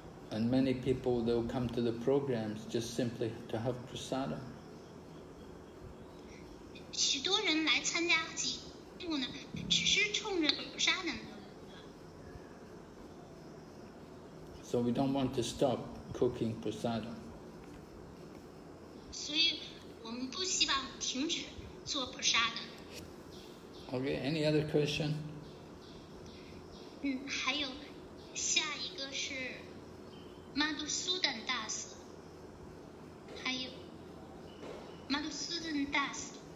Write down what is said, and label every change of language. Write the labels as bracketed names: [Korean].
[English] And many people, they'll come to the programs just simply to have prasadam. [Chinese] 许多人来参加几度呢，只是冲着普沙南的。 [English] So we don't want to stop cooking prasadam. [Chinese] 所以我们不希望停止做普沙的。 [English] Okay, any other question? [Chinese] 还有下一个是 Madhusudan Das， 还有 Madhusudan Das。